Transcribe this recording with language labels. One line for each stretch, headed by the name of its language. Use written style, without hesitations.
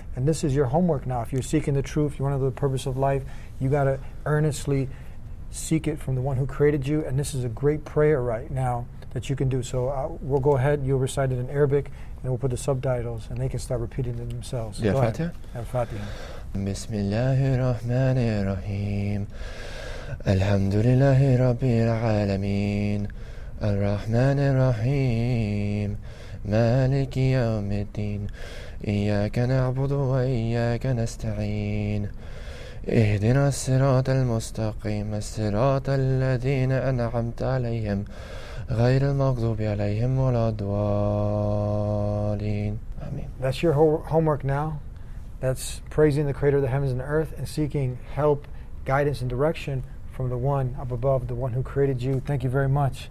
English: And this is your homework now. If you're seeking the truth, you want to know the purpose of life, you got to earnestly seek it from the one who created you. And this is a great prayer right now that you can do. So we'll go ahead. You'll recite it in Arabic, and we'll put the subtitles, and they can start repeating it themselves. The Al-Fatiha? Al-Fatiha.
Arabic: بسم الله الرحمن الرحيم الحمد لله رب العالمين الرحمن الرحيم مالك يوم الدين إياك نعبد وإياك نستعين اهدنا الصراط المستقيم الصراط الذين أنعمت عليهم غير المغضوب عليهم ولا الضالين آمين.
English: That's your homework now. That's praising the creator of the heavens and the earth and seeking help, guidance, and direction from the one up above, the one who created you. Thank you very much.